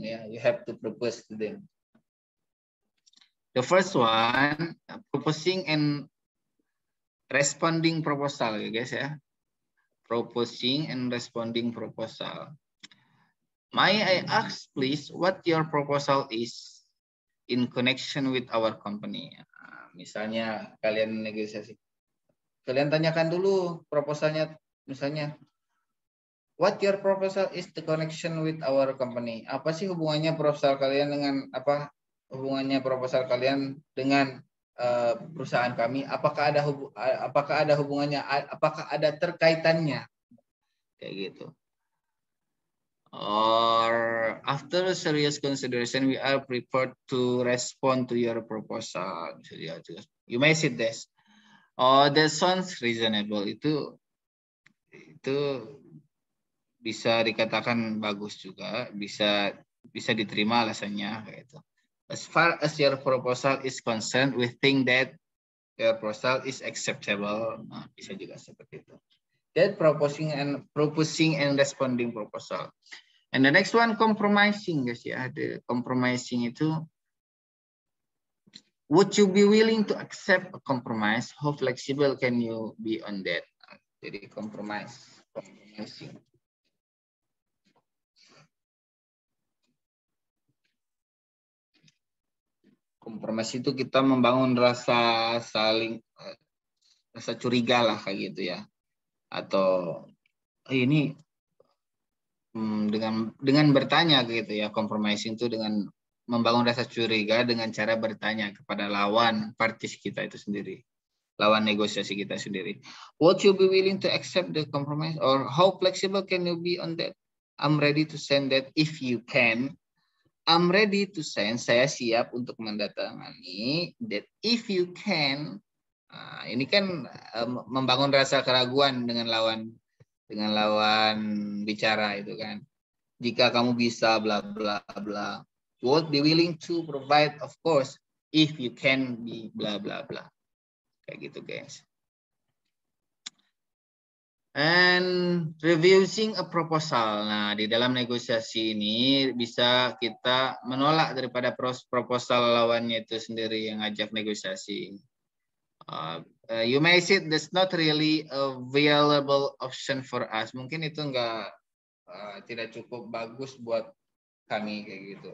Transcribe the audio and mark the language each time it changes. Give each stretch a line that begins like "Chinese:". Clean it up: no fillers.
English: Yeah, you have to propose to them. The first one, proposing and responding proposal, you guys, yeah. Proposing and responding proposal. May I ask, please, what your proposal is in connection with our company?
Indonesian: Misalnya kalian negosiasi, kalian tanyakan dulu proposalnya, misalnya,
English: What your proposal is the connection with our company?
Indonesian: Apa sih hubungannya proposal kalian dengan apa? Hubungannya proposal kalian dengan perusahaan kami? Apakah ada hubungannya? Apakah ada terkaitannya? Kayak gitu.
English: Or after serious consideration, we are prepared to respond to your proposal. You may see this. Oh, that sounds reasonable.
Indonesian: Itu bisa dikatakan bagus juga, bisa diterima alasannya kayak itu.
English: As far as your proposal is concerned, we think that your proposal is acceptable.
Indonesian: Nah, bisa juga seperti itu.
English: That proposing and responding proposal. And the next one, compromising, guys, ya. The compromising itu, would you be willing to accept a compromise? How flexible can you be on that?
Indonesian: Jadi
English: compromising.
Indonesian: Kompromis itu kita membangun rasa saling, rasa curiga lah kayak gitu ya. Atau ini dengan bertanya gitu ya, compromising itu dengan membangun rasa curiga dengan cara bertanya kepada lawan partis kita itu sendiri, lawan negosiasi kita sendiri.
English: Would you be willing to accept the compromise or how flexible can you be on that? I'm ready to send that if you can. I'm ready to sign.
Indonesian: Saya siap untuk mendatangani.
English: That if you can,
Indonesian: ini kan membangun rasa keraguan dengan lawan bicara itu kan. Jika kamu bisa,
English: bla bla bla. Would be willing to provide, of course, if you can be bla bla bla.
Indonesian: Kayak gitu,
English: guys. And reviewing a proposal.
Indonesian: Nah, di dalam negosiasi ini bisa kita menolak daripada proposal lawannya itu sendiri yang ajak negosiasi.
English: You may say that's not really a viable option for us.
Indonesian: Mungkin itu tidak cukup bagus buat kami kayak gitu.